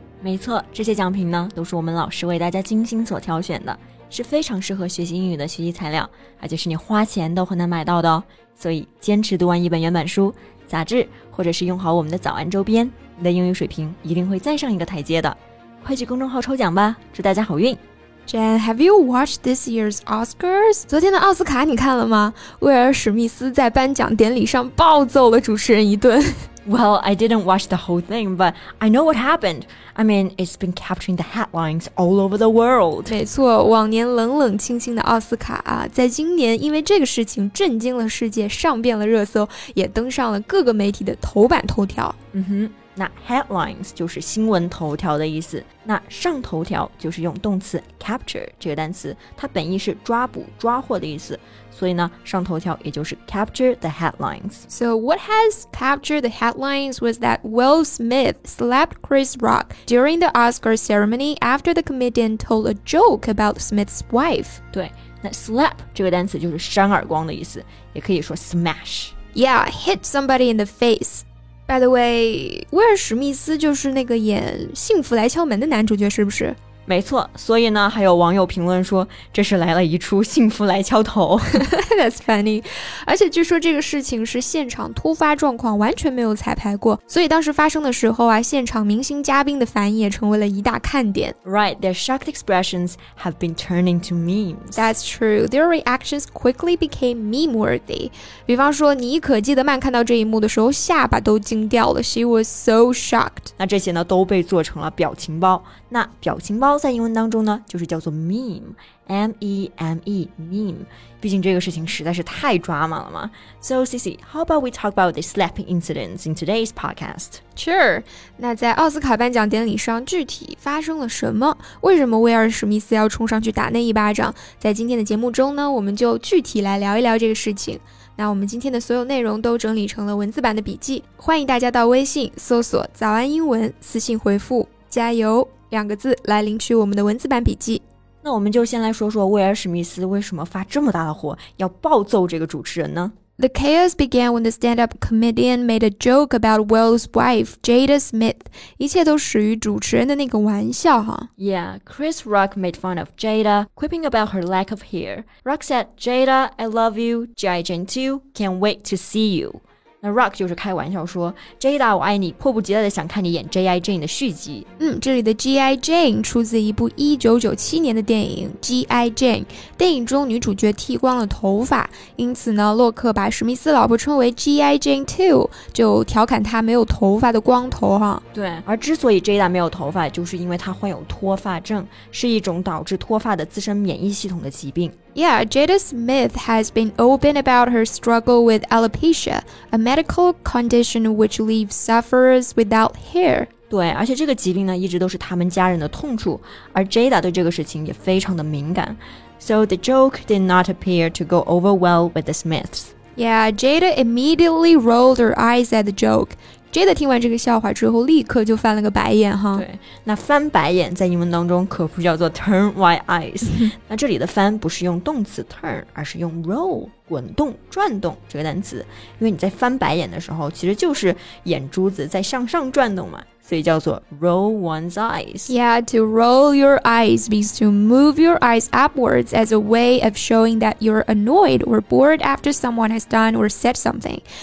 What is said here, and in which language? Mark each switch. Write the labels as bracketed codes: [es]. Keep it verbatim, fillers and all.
[zh] 没错，这些奖品呢，都是我们老师为大家精心所挑选的。是非常适合学习英语的学习材料，而且是你花钱都很难买到的哦。所以坚持读完一本原版书、杂志，或者是用好我们的早安周边，你的英语水平一定会再上一个台阶的。快去公众号抽奖吧，祝大家好运！ [en] Jen, have you watched this year's Oscars? [zh] 昨天的奥斯卡你看了吗？威尔史密斯在颁奖典礼上暴揍了主持人一顿。 [en] Well, I didn't watch the whole thing, but I know what happened. I mean, it's been capturing the headlines all over the world. [zh] 没错，往年冷冷清清的奥斯卡啊，在今年因为这个事情震惊了世界，上遍了热搜，也登上了各个媒体的头版头条。嗯哼。那 headlines 就是新闻头条的意思，那上头条就是用动词 capture 这个单词，它本意是抓捕抓获的意思，所以呢上头条也就是 [en] capture the headlines. So what has captured the headlines was that Will Smith slapped Chris Rock during the Oscar ceremony after the comedian told a joke about Smith's wife. [zh] 对，那 slap 这个单词就是扇耳光的意思，也可以说 smash. [en] Yeah, hit somebody in the face. By the way, [zh] 威尔史密斯就是那个演《幸福来敲门》的男主角，是不是？没错，所以呢，还有网友评论说，这是来了一出《幸福来敲头》 [en] That's funny. [zh] 而且据说这个事情是现场突发状况，完全没有彩排过，所以当时发生的时候啊，现场明星嘉宾的反应也成为了一大看点。 [en] Right, their shocked expressions have been turned into memes. That's true. Their reactions quickly became meme-worthy. [zh] 比方说，尼可基德曼看到这一幕的时候，下巴都惊掉了。 [en] She was so shocked. [zh] 那这些呢，都被做成了表情包。那表情包在英文当中呢，就是叫做 meme, M-E-M-E, meme. 毕竟这个事情实在是太 drama 了嘛。 [en] So, Cici, how about we talk about the slapping incidents in today's podcast? Sure. [zh] 那在奥斯卡颁奖典礼上具体发生了什么？为什么威尔史密斯要冲上去打那一巴掌？在今天的节目中呢，我们就具体来聊一聊这个事情。那我们今天的所有内容都整理成了文字版的笔记，欢迎大家到微信搜索“早安英文”，私信回复“加油”两个字来领取我们的文字版笔记。那我们就先来说说威尔史密斯为什么发这么大的火，要暴揍这个主持人呢？ [en] The chaos began when the stand-up comedian made a joke about Will's wife, Jada Smith. [zh] 一切都始于主持人的那个玩笑哈。 [en] Yeah, Chris Rock made fun of Jada, quipping about her lack of hair. Rock said, Jada, I love you, G I Jane too, can't wait to see you. [zh] 那 Rock 就是开玩笑说 Jada 我爱你，迫不及待的想看你演 G I Jane 的续集。嗯，这里的 G I Jane 出自一部一九九七年的电影 G I Jane， 电影中女主角剃光了头发，因此呢洛克把史密斯老婆称为 G I Jane two， 就调侃她没有头发的光头哈。对，而之所以 Jada 没有头发，就是因为她患有脱发症，是一种导致脱发的自身免疫系统的疾病。 [en] Yeah, Jada Smith has been open about her struggle with alopecia, a medical condition which leaves sufferers without hair. [zh] 对，而且这个疾病呢，一直都是他们家人的痛处，而 Jada 对这个事情也非常的敏感。 [en] So the joke did not appear to go over well with the Smiths. Yeah, Jada immediately rolled her eyes at the joke. [zh] Jada 听完这个笑话之后立刻就翻了个白眼哈。对，那翻白眼在英文当中可不叫做 [en] turn white eyes [zh] 那这里的翻不是用动词 turn 而是用 roll 滚动转动这个单词，因为你在翻白眼的时候其实就是眼珠子在向上转动嘛，所以叫做 [en] roll one's eyes. Yeah, to roll your eyes means to move your eyes upwards as a way of showing that you're annoyed or bored after someone has done or said something.